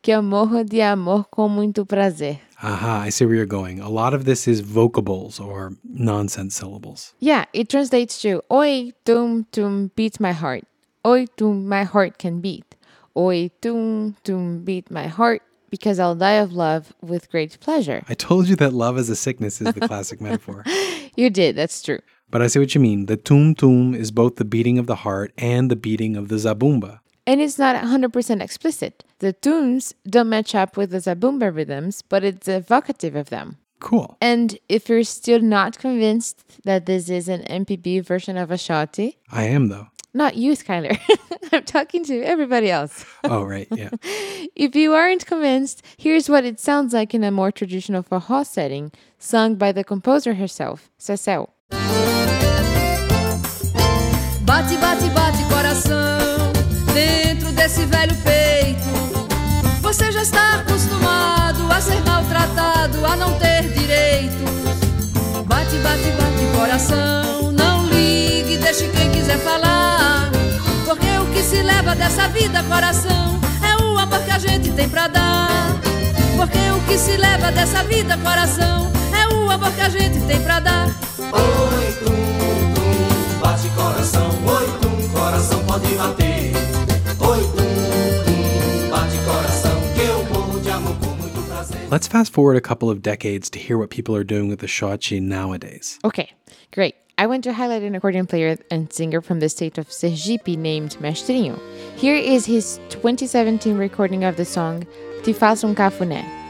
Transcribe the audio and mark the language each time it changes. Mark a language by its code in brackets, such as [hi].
[pt] Que eu morro de amor com muito prazer. [en] Aha, I see where you're going. A lot of this is vocables or nonsense syllables. Yeah, it translates to Oi, tum, tum, beat my heart. Oi, tum, my heart can beat. Oi, tum, tum, beat my heart, because I'll die of love with great pleasure. I told you that love as a sickness is the classic metaphor. You did. That's true. But I see what you mean. The tum-tum is both the beating of the heart and the beating of the zabumba. And it's not 100% explicit. The tunes don't match up with the zabumba rhythms, but it's evocative of them. Cool. And if you're still not convinced that this is an MPB version of Ashanti. I am, though. Not you, Skylar. I'm talking to everybody else. Oh, right. Yeah. If you aren't convinced, here's what it sounds like in a more traditional fado setting, sung by the composer herself, Cecel. [pt] Bate, bate, bate, coração, dentro desse velho peito. Você já está acostumado a ser maltratado, a não ter direito. Bate, bate, bate, coração, não ligue, deixe quem quiser falar. Porque o que se leva dessa vida, coração, é o amor que a gente tem pra dar. Porque o que se leva dessa vida, coração, é o amor que a gente tem pra dar. Oi, tum, bate, coração, oi, tum, coração pode bater. [en] Let's fast forward a couple of decades to hear what people are doing with the shoachi nowadays. Okay, great. I want to highlight an accordion player and singer from the state of Sergipe named Mestrinho. Here is his 2017 recording of the song Te Faço Cafuné.